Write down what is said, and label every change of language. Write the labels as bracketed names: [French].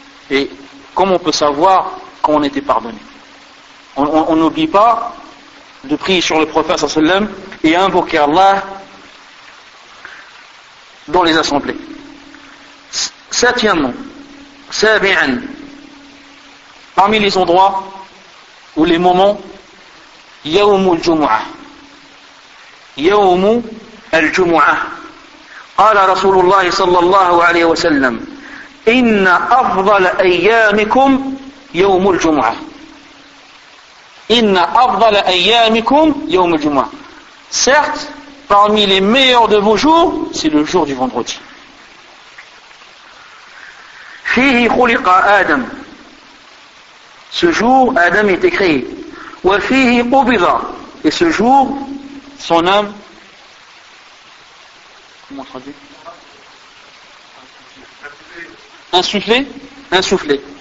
[French] Et comment on peut savoir quand on était pardonné? On n'oublie pas de prier sur le prophète sallallahu alayhi wa sallam et invoquer Allah dans les assemblées. Septièmement, sabi'an, parmi les endroits ou les moments, [Arabic] yawmul jumu'ah. يوم الجمعة قال رسول الله صلى الله عليه وسلم إن أفضل أيامكم يوم الجمعة إن أفضل أيامكم يوم الجمعة. [French] Certes, parmi les meilleurs de vos jours, c'est le jour du vendredi. [Arabic] فيه خلق آدم, [French] ce jour Adam est créé. [Arabic] وفيه قبض, [French] et ce jour son âme, comment traduire, insufflé.